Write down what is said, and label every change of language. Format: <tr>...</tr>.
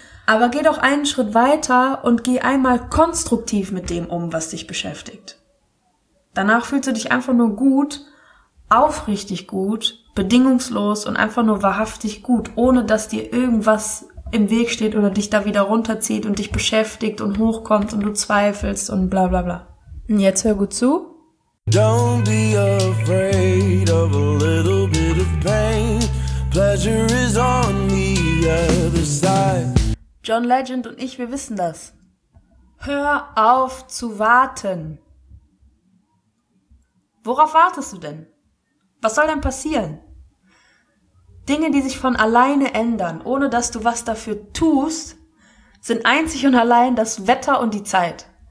<de>Aber geh doch einen Schritt weiter und geh einmal konstruktiv mit dem um, was dich beschäftigt. Danach fühlst du dich einfach nur gut, aufrichtig gut, bedingungslos und einfach nur wahrhaftig gut, ohne dass dir irgendwas im Weg steht oder dich da wieder runterzieht und dich beschäftigt und hochkommt und du zweifelst und bla bla bla. Und jetzt hör gut zu.</de> <en>Don't be afraid of a little bit of pain. Pleasure is on the other side.</en> <de>John Legend und ich, wir wissen das. Hör auf zu warten. Worauf wartest du denn? Was soll denn passieren? Dinge, die sich von alleine ändern, ohne dass du was dafür tust, sind einzig und allein das Wetter und die Zeit.</de>